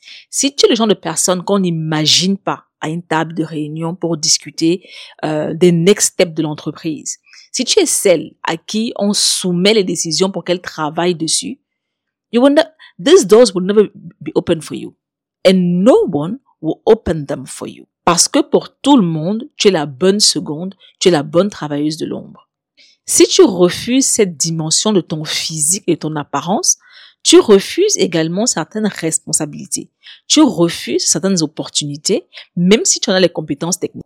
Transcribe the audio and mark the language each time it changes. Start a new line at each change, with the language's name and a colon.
French: Si tu es le genre de personne qu'on n'imagine pas à une table de réunion pour discuter des
English: next steps
French: de l'entreprise, si tu es celle à qui on soumet les décisions pour qu'elle travaille dessus,
English: these doors will never be open for you. And no one will open them for you.
French: Parce que pour tout le monde, tu es la bonne seconde, tu es la bonne travailleuse de l'ombre. Si tu refuses cette dimension de ton physique et de ton apparence, tu refuses également certaines responsabilités. Tu refuses certaines opportunités, même si tu en as les compétences techniques.